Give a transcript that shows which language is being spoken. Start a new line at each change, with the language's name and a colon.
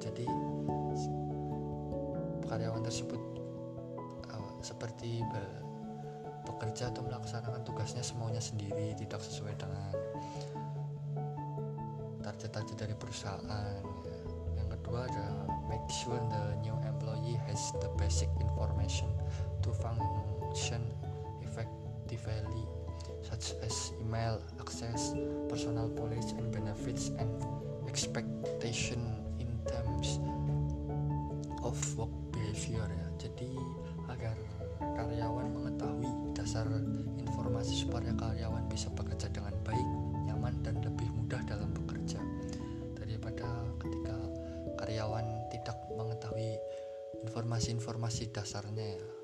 Indonesian: Jadi karyawan tersebut seperti bekerja atau melaksanakan tugasnya semaunya sendiri, tidak sesuai dengan target-target dari perusahaan. Yang kedua ada
English: make sure the new employee has the basic information to function effectively, such as email access, personal policy and benefits, and expectation in terms of work behavior.
Indonesian: Ya. Jadi agar karyawan mengetahui dasar informasi supaya karyawan bisa bekerja dengan baik, nyaman, dan lebih mudah dalam bekerja daripada ketika karyawan tidak mengetahui informasi-informasi dasarnya.